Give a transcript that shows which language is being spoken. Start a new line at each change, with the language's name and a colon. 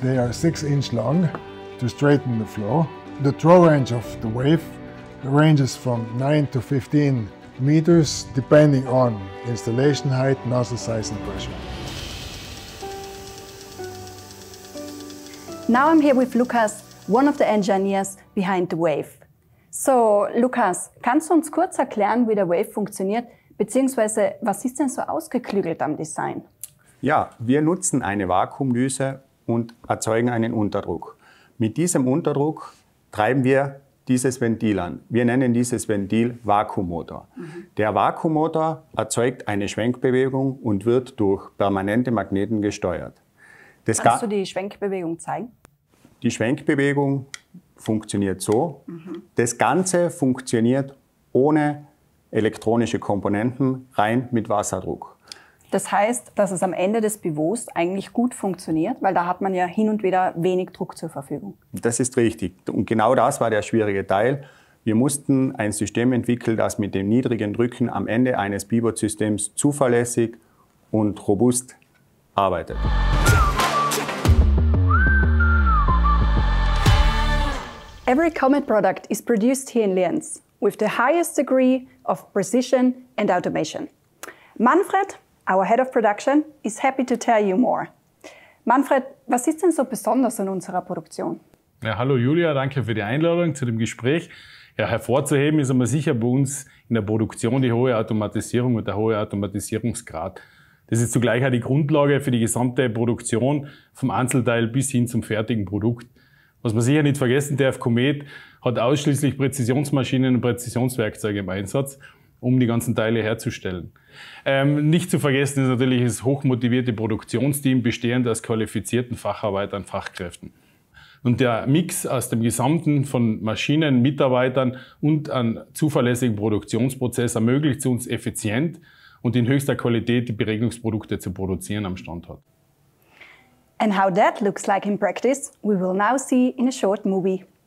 English: They are 6-inch long to straighten the flow. The throw range of the Wave ranges from 9 to 15 meters, depending on installation height, nozzle size, and pressure. Now I'm here with Lukas, one of the engineers behind the Wave.
German: So, Lukas, kannst du uns kurz erklären, wie der Wave funktioniert, beziehungsweise was ist denn so ausgeklügelt am Design? Ja, wir nutzen eine Vakuumdüse und erzeugen einen Unterdruck. Mit diesem Unterdruck treiben wir dieses Ventil an. Wir nennen dieses Ventil Vakuummotor. Mhm. Der Vakuummotor erzeugt eine Schwenkbewegung und wird durch permanente Magneten gesteuert. Das kannst du die Schwenkbewegung zeigen? Die Schwenkbewegung funktioniert so. Mhm. Das Ganze funktioniert ohne elektronische Komponenten, rein mit Wasserdruck. Das heißt, dass es am Ende des Pivots eigentlich gut funktioniert, weil da hat man ja hin und wieder wenig Druck zur Verfügung. Das ist richtig. Und genau das war der schwierige Teil. Wir mussten ein System entwickeln, das mit dem niedrigen Drücken am Ende eines Pivot-Systems zuverlässig und robust arbeitet.
English: Every Komet product is produced here in Lienz with the highest degree of precision and automation. Manfred, our head of production, is happy to tell you more.
German: Manfred, was ist denn so besonders an unserer Produktion? Ja, hallo Julia, danke für die Einladung zu dem Gespräch. Ja, hervorzuheben ist aber sicher bei uns in der Produktion die hohe Automatisierung und der hohe Automatisierungsgrad. Das ist zugleich auch die Grundlage für die gesamte Produktion, vom Einzelteil bis hin zum fertigen Produkt. Was man sicher nicht vergessen darf, Komet hat ausschließlich Präzisionsmaschinen und Präzisionswerkzeuge im Einsatz, um die ganzen Teile herzustellen. Nicht zu vergessen ist natürlich das hochmotivierte Produktionsteam, bestehend aus qualifizierten Facharbeitern und Fachkräften. Und der Mix aus dem Gesamten von Maschinen, Mitarbeitern und einem zuverlässigen Produktionsprozess ermöglicht uns effizient und in höchster Qualität die Beregnungsprodukte zu produzieren am Standort.
English: And how that looks like in practice, we will now see in a short movie.